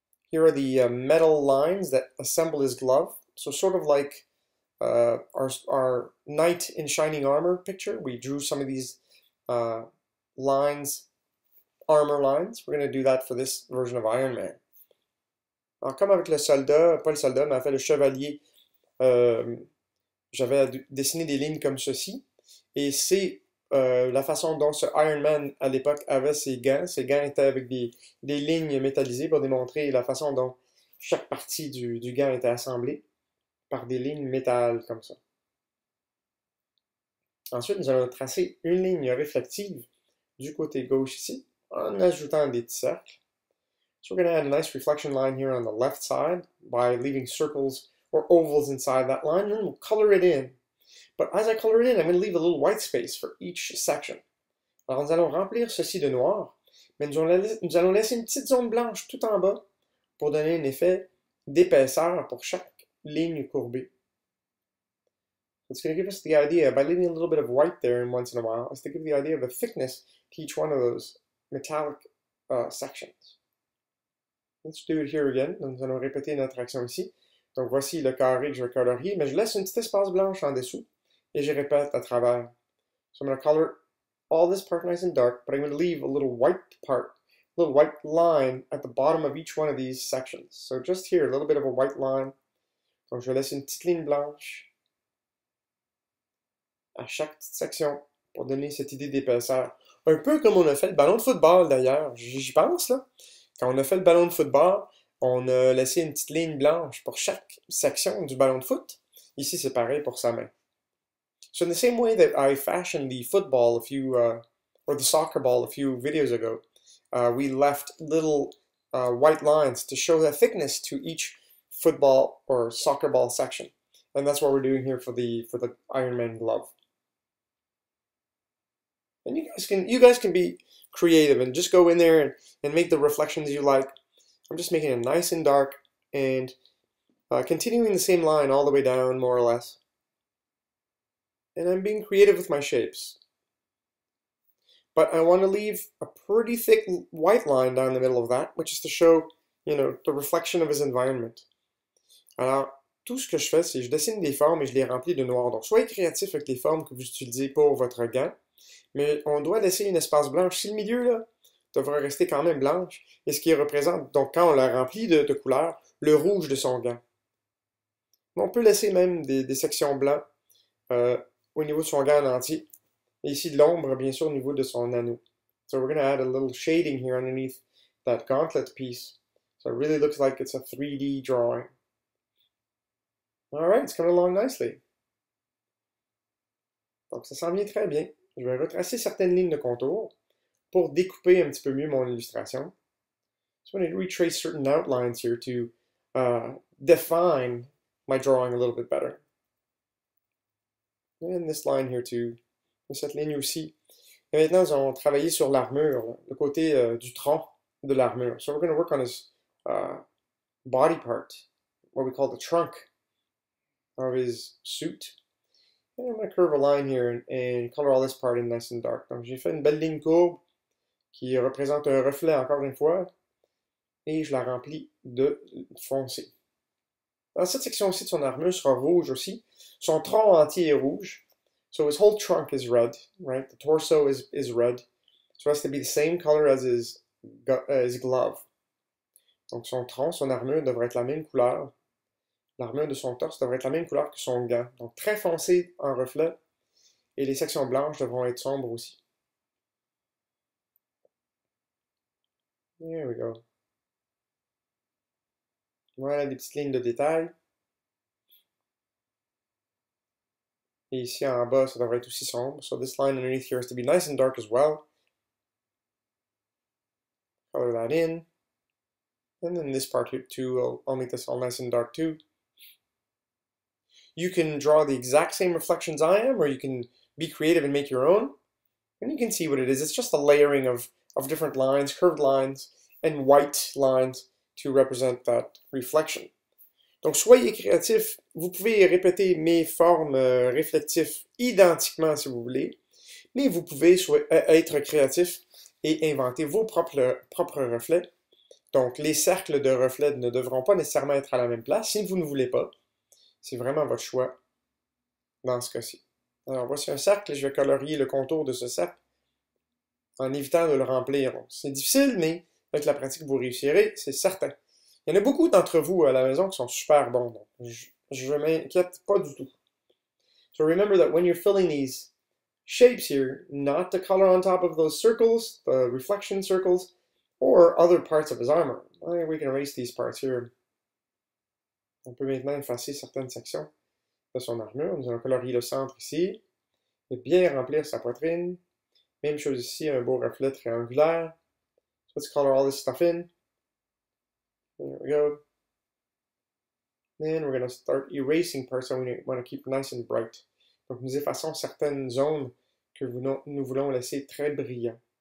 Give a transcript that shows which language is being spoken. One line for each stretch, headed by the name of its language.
English: Here are the metal lines that assemble his glove. So sort of like our knight in shining armor picture, we drew some of these lines, armor lines. We're going to do that for this version of Iron Man.
French: Alors, comme avec le soldat, pas le soldat, mais en fait le chevalier, j'avais dessiné des lignes comme ceci. Et c'est la façon dont ce Iron Man à l'époque avait ses gants. Ses gants étaient avec des lignes métallisées pour démontrer la façon dont chaque partie du gant était assemblée par des lignes métal comme ça. Ensuite, nous allons tracer une ligne réflexive du côté gauche ici en ajoutant des petits cercles.
English: So we're going to add a nice reflection line here on the left side by leaving circles or ovals inside that line, and then we'll color it in. But as I color it in, I'm going to leave a little white space for each section. Alors, nous allons remplir ceci de noir, mais nous allons laisser une petite zone blanche tout en bas pour donner un effet d'épaisseur pour chaque ligne courbée. It's going to give us the idea, by leaving a little bit of white there once in a while, it's going to give the idea of the thickness to each one of those metallic sections. Let's do it here again.
French: Donc, nous allons répéter notre action ici. Donc, voici le carré que je vais colorier, mais je laisse une petite espace blanche en dessous et je répète à travers.
English: So, I'm going to color all this part nice and dark, but I'm going to leave a little white part, a little white line at the bottom of each one of these sections. So, just here, a little bit of a white line.
French: Donc, je laisse une petite ligne blanche à chaque petite section pour donner cette idée d'épaisseur. Un peu comme on a fait le ballon de football d'ailleurs, j'y pense là. Quand on a fait le ballon de football, on a laissé une petite ligne blanche pour chaque section du ballon de foot. Ici, c'est pareil pour sa main.
English: So in the same way that I fashioned the football a few, or the soccer ball a few videos ago, we left little white lines to show the thickness to each football or soccer ball section. And that's what we're doing here for the Iron Man glove. And you guys can be creative and just go in there and make the reflections you like. I'm just making it nice and dark and continuing the same line all the way down, more or less. And I'm being creative with my shapes. But I want to leave a pretty thick white line down the middle of that, which is to show, you know, the reflection of his environment.
French: Alors, tout ce que je fais, c'est je dessine des formes et je les remplis de noir. Donc, soyez créatif avec les formes que vous utilisez pour votre gant. Mais on doit laisser une espace blanche. Si le milieu là, devrait rester quand même blanche, et ce qui représente, donc quand on la remplit de couleurs, le rouge de son gant. Mais on peut laisser même des sections blancs au niveau de son gant en entier. Et ici de l'ombre, bien sûr, au niveau de son anneau.
English: So we're gonna add a little shading here underneath that gauntlet piece. So it really looks like it's a 3D drawing. Alright, it's coming along nicely.
French: Donc ça s'en vient très bien. Je vais retracer certaines lignes de contour pour découper un petit peu mieux mon illustration.
English: So I'm going to retrace certain outlines here to define my drawing a little bit better. And this line here too.
French: Et cette ligne aussi. Et maintenant, nous allons travailler sur l'armure, le côté du tronc de l'armure.
English: So we're going to work on his body part, what we call the trunk of his suit. I'm going to curve a line here and color all this part in nice and dark.
French: Donc, j'ai fait une belle ligne courbe qui représente un reflet encore une fois. Et je la remplis de foncé. Alors, cette section-ci de son armure sera rouge aussi. Son tronc entier est rouge.
English: So, his whole trunk is red, right? The torso is red. So, it has to be the same color as his glove.
French: Donc, son tronc, son armure devrait être la même couleur. L'armure de son torse devrait être la même couleur que son gant. Donc très foncé en reflet. Et les sections blanches devront être sombres aussi.
English: There we go.
French: Voilà des petites lignes de détail. Et ici en bas, ça devrait être aussi sombre.
English: So this line underneath here has to be nice and dark as well. Color that in. And then this part here too, I'll make this all nice and dark too. You can draw the exact same reflections I am, or you can be creative and make your own. And you can see what it is. It's just a layering of different lines, curved lines, and white lines to represent that reflection.
French: Donc, soyez créatif. Vous pouvez répéter mes formes réflexives identiquement si vous voulez, mais vous pouvez être créatif et inventer vos propres reflets. Donc, les cercles de reflets ne devront pas nécessairement être à la même place si vous ne voulez pas. C'est vraiment votre choix dans ce cas-ci. Alors, voici un cercle. Je vais colorier le contour de ce cercle en évitant de le remplir. C'est difficile, mais avec la pratique, vous réussirez, c'est certain. Il y en a beaucoup d'entre vous à la maison qui sont super bons. Donc je m'inquiète pas du tout.
English: So remember that when you're filling these shapes here, not to color on top of those circles, the reflection circles, or other parts of his armor. We can erase these parts here.
French: On peut maintenant effacer certaines sections de son armure. Nous allons colorier le centre ici et bien remplir sa poitrine. Même chose ici, un beau reflet triangulaire.
English: So let's color all this stuff in. There we go. Then we're going to start erasing parts that we want to keep nice and bright.
French: Donc, nous effaçons certaines zones que nous voulons laisser très brillantes.